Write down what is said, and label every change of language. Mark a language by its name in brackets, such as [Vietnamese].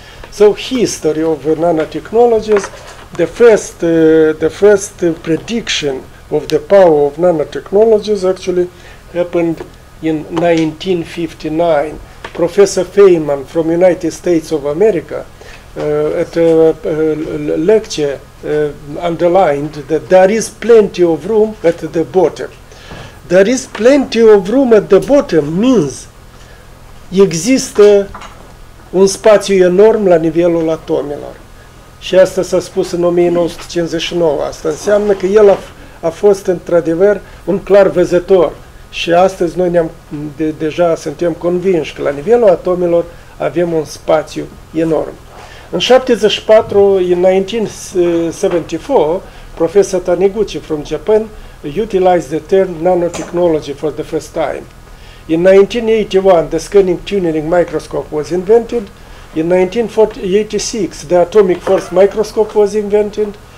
[English] So history of nanotechnologies, the first prediction of the power of nanotechnologies actually happened in 1959. Professor Feynman from United States of America at a lecture underlined that there is plenty of room at the bottom. There is plenty of room at the bottom means [Romanian] există un spațiu enorm la nivelul atomilor. Și asta s-a spus în 1959. Asta înseamnă că el a fost într-adevăr un clar văzător. Și astăzi noi deja suntem convinși că la nivelul atomilor avem un spațiu enorm. [English] În 74, in 1974, Professor Taniguchi from Japan utilized the term nanotechnology for the first time. In 1981, the scanning tunneling microscope was invented. In 1986, the atomic force microscope was invented.